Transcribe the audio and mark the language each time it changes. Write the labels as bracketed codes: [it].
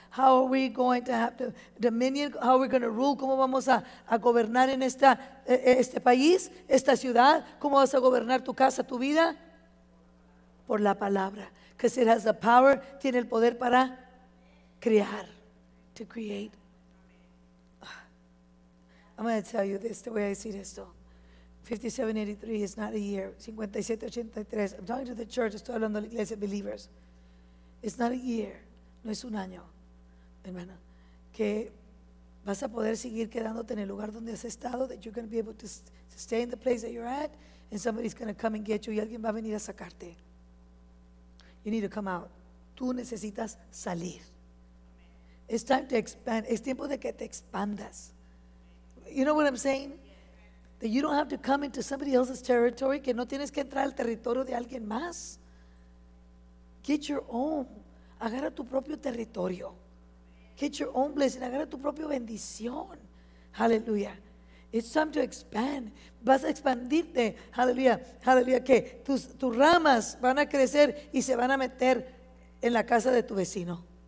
[en] How are we going to have the dominion? How are we going to rule? [es] ¿Cómo vamos a gobernar en este país, esta ciudad? ¿Cómo vas a gobernar tu casa, tu vida? Por la palabra. [en] Because it has the power, [es] tiene el poder para crear. [en] To create. I'm going to tell you this. [es] Te voy a decir esto. [en] 5783 is not a year. 5783. I'm talking to the church. [es] Estoy hablando de la iglesia, [en] believers. It's not a year. [es] No es un año, hermana, que vas a poder seguir quedándote en el lugar donde has estado. [en] That you're going to be able to stay in the place that you're at, and somebody's going to come and get you. [es] Y alguien va a venir a sacarte. [en] You need to come out. [es] Tú necesitas salir. [en] It's time to expand. [es] Es tiempo de que te expandas. [en] You know what I'm saying? That you don't have to come into somebody else's territory. [es] Que no tienes que entrar al territorio de alguien más. [en] Get your own. [es] Agarra tu propio territorio. [en] Get your own blessing. [es] Agarra tu propia bendición. Hallelujah. [en] It's time to expand. [es] Vas a expandirte. Hallelujah. Hallelujah. Que tus ramas van a crecer y se van a meter en la casa de tu vecino.